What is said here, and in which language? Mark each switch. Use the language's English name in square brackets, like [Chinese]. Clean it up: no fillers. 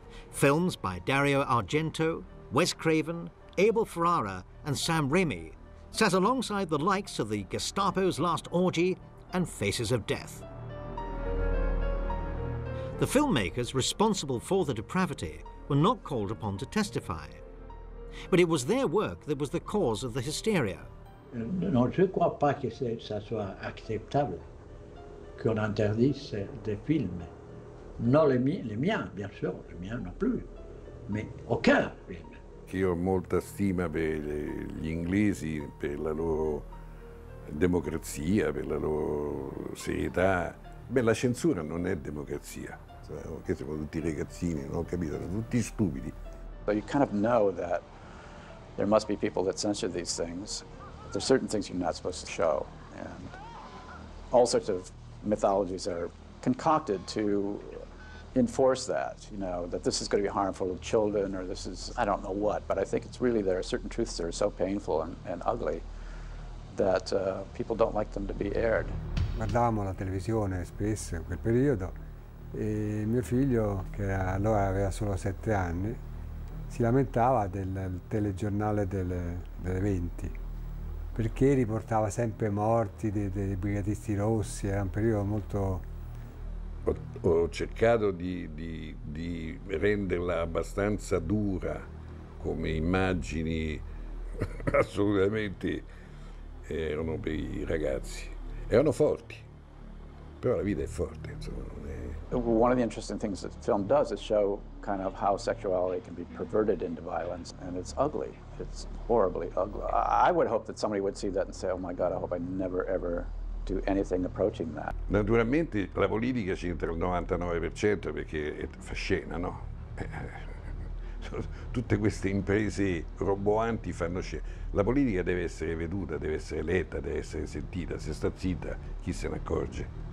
[English] Films by Dario Argento, Wes Craven, Abel Ferrara and Sam Raimi sat alongside the likes of The Gestapo's Last Orgy and Faces of Death. The filmmakers responsible for the depravity were not called upon to testify. But it was their work that was the cause of the hysteria. [French] Non je crois pas que ça soit acceptable qu'on interdise des films. Non les miens, bien sûr, les miens non plus, mais aucun film. [Italian] Io ho molta stima per gli inglesi, per la loro democrazia, per la loro serietà. Beh, la censura non è democrazia. [English] You kind of know that there must be people that censor these things. There's certain things you're not supposed to show. And all sorts of mythologies are concocted to enforce that, you know, that this is going to be harmful to children or this is, I don't know what, but I think it's really there are certain truths that are so painful and ugly that people don't like them to be aired. [Italian] guardavamo la televisione spesso in quel periodo e mio figlio, che allora aveva solo 7 anni, si lamentava del telegiornale delle 20, perché riportava sempre morti dei brigatisti rossi, era un periodo molto... Ho cercato di renderla abbastanza dura, come immagini assolutamente erano per i ragazzi. Erano forti, però la vita è forte, insomma. [English] One of the interesting things that the film does is show kind of how sexuality can be perverted into violence, and it's ugly. It's horribly ugly. I would hope that somebody would see that and say, oh my God, I hope I never ever do anything approaching that. [Italian] Naturalmente la politica c'entra il 99% perché è fascina, no? Tutte queste imprese roboanti fanno scena. La politica deve essere veduta, deve essere letta, deve essere sentita. Se sta zitta, chi se ne accorge?